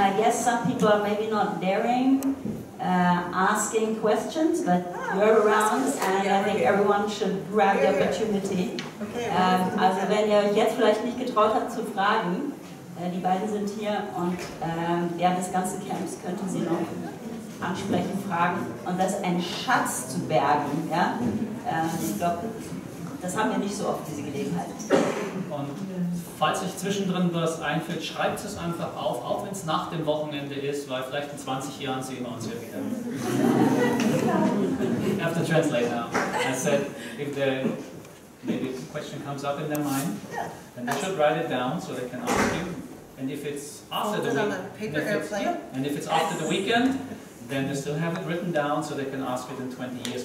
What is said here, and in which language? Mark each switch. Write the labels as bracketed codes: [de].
[en] Some people are maybe not daring asking questions, but you're around, and I think everyone should grab the opportunity. Okay. [de] Also wenn ihr euch jetzt vielleicht nicht getraut habt zu fragen, die beiden sind hier und während des ganzen Camps könnten sie noch ansprechen, fragen. Und das ist ein Schatz zu bergen. Ja? Ich glaube, das haben wir nicht so oft, diese Gelegenheit. Und falls euch zwischendrin was einfällt, schreibt es einfach auf, auch wenn es nach dem Wochenende ist, weil vielleicht in 20 Jahren sehen wir uns ja wieder. [en] I have to translate now. I said, if the maybe a question comes up in their mind, then they should write it down so they can ask you. And if it's after the weekend, and if it's after the weekend, then they still have it written down so they can ask it in 20 years.